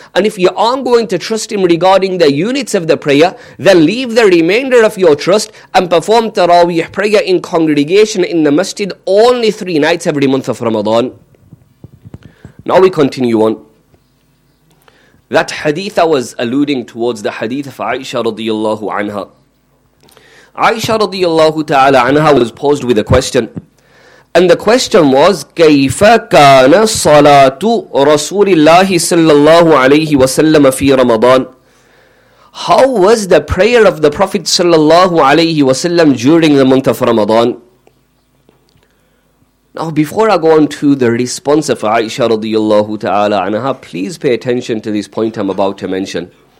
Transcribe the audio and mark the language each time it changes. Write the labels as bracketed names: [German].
[English] And if you aren't going to trust him regarding the units of the prayer, then leave the remainder of your trust and perform Taraweeh prayer in congregation in the masjid only 3 nights every month of Ramadan. Now we continue on. That hadith I was alluding towards, the hadith of Aisha radiallahu anha. Aisha radiallahu ta'ala anha was posed with a question. And the question was, [Arabic] كَيْفَ كَانَ صَلَاتُ رَسُولِ اللَّهِ صَلَّى اللَّهُ عَلَيْهِ وَسَلَّمَ فِي رَمَضَانِ. [English] How was the prayer of the Prophet sallallahu alayhi wasallam during the month of Ramadan? Now, before I go on to the response of Aisha radiyallahu ta'ala anha, please pay attention to this point I'm about to mention.